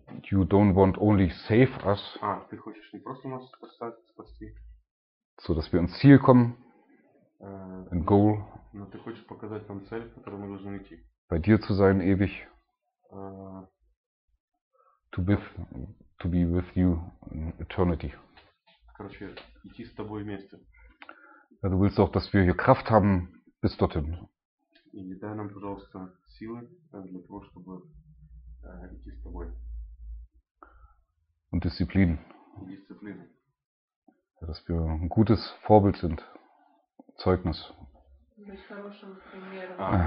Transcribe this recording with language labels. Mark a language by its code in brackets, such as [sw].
[en] You don't want only save us. [ru] Ты хочешь не просто нас спасти. [de] So dass wir ins Ziel kommen. [en] And goal. [ru] Но ты хочешь показать нам цель, которую мы должны идти. [de] Bei dir zu sein ewig. [en] To be with you in eternity. [ru] Короче, идти с тобой вместе. [de] Ja, du willst auch, dass wir hier Kraft haben bis dorthin. [ru] И дай нам, пожалуйста, силы для того, чтобы идти с тобой. [de] Und Disziplin. [ru] И Disziplin. [de] Ja, dass wir ein gutes Vorbild sind. Zeugnis. Mit [ru] хорошим примером.